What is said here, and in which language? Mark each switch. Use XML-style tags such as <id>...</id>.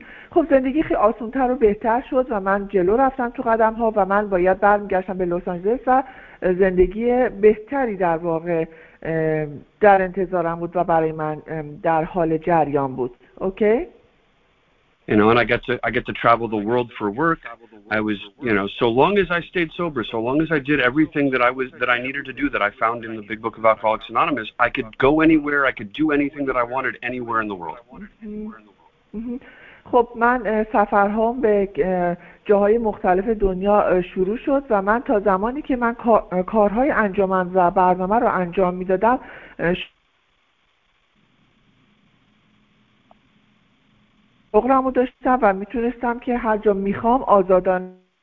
<fa>خب زندگی خیلی آسان‌تر و بهتر شد و من جلو رفتم تو قدم‌ها و من باید برمیگشتم به لس آنجلس و زندگی بهتری در واقع در انتظارم بود و برای من در حال جریان بود.</fa> <en>Okay? You know, and I get to travel the world for work. I was, you know, so long as I stayed sober, so long as I did everything that I needed to do that I found in the Big Book of Alcoholics Anonymous, I could go anywhere, I could do anything that I wanted anywhere in the world.</en> <fa>خب من سفرهام به جاهای مختلف دنیا شروع شد و من تا زمانی که من کارهای انجامم و برنامه رو انجام میدادم شغلم رو داشتم و میتونستم که هر جا میخوام آزادان</fa>